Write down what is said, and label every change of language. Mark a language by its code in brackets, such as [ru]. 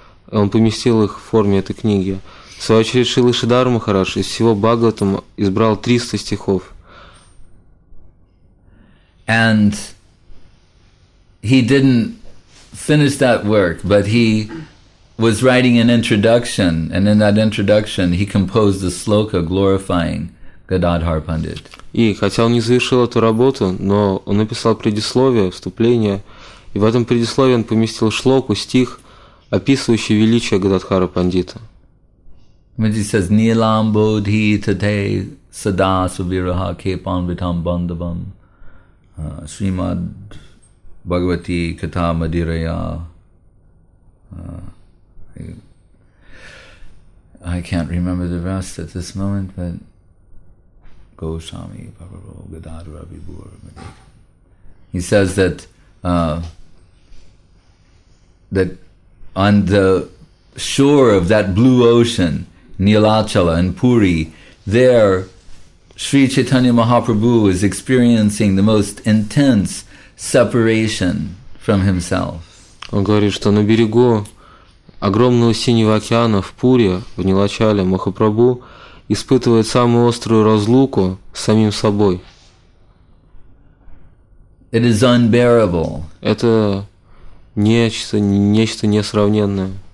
[ru] Он поместил их в форме этой книги. В свою очередь Шрила Шридхар Махарадж из всего Бхагаватам избрал 300 стихов. [en] And he didn't finish that work, but he was writing an introduction, and in that introduction he composed a sloka glorifying Gadadhar Pandit. [ru] И хотя он не завершил эту работу, но он написал предисловие, вступление, и в этом предисловии он поместил шлоку, стих, описывающий величие Гададхара Пандита. [en] He says, [sa] Nilam bodhi tate sada subiraha kepan vitam bandavam srimad bhagavati katha madiraya. [en] I can't remember the rest at this moment, but [sa] Goswami Bhavaro Gadadhara Vibhur. [en] He says that that on the shore of that blue ocean, Nilachala and Puri, there Sri Chaitanya Mahaprabhu is experiencing the most intense separation from himself. [ru] Он говорит, что на берегу огромного синего океана в Пуре, в Нилачале, Махапрабху испытывает самую острую разлуку с самим собой. [en] It is unbearable. [ru] Это нечто несравненное.